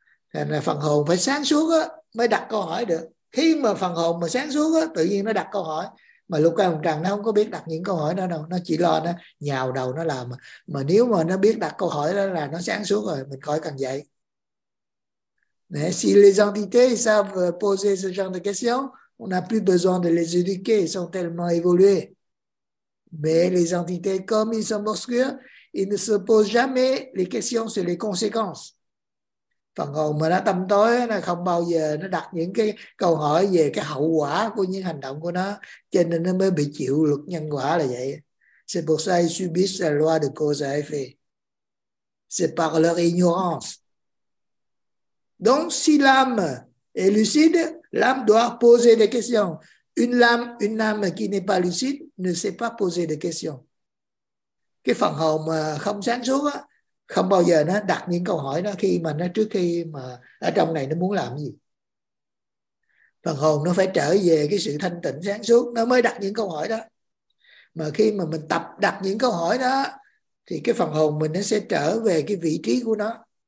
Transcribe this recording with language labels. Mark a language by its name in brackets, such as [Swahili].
[French] C'est la [Vietnamese] phần hồn, phải sáng suốt, mới đặt câu hỏi được. Khi mà phần hồn mà sáng suốt á, tự nhiên nó đặt câu hỏi. Mà lục căn lục trần nó không có biết đặt những câu hỏi đó đâu. Nó chỉ lo nó nhào đầu nó làm. Mà nếu mà nó biết đặt câu hỏi đó là nó sáng suốt rồi. Mình khỏi cần dạy. [French] Si les entités savent poser ce genre de questions, on n'a plus besoin de les éduquer. Ils sont tellement évolués. Mais les entités, comme ils sont obscurs, ils ne se posent jamais les questions sur les conséquences. [Vietnamese] Phần hồn mà nó tâm tối, nó không bao giờ nó đặt những cái câu hỏi về cái hậu quả của những hành động của nó. Cho nên nó mới bị chịu luật nhân quả là vậy. [French] C'est pour ça qu'ils subissent la loi de cause et effet. C'est par leur ignorance. Donc si l'âme est lucide, l'âme doit poser des questions. une âme qui n'est pas lucide ne sait pas poser de questions. [Vietnamese] Cái phần hồn mà không sáng suốt á, không bao giờ nó đặt những câu hỏi đó khi mà nó trước khi mà ở trong này nó muốn làm gì. Phần hồn nó phải trở về cái sự thanh tịnh sáng suốt nó mới đặt những câu hỏi đó. Mà khi mà mình tập đặt những câu hỏi đó thì cái phần hồn mình nó sẽ trở về cái vị trí của nó.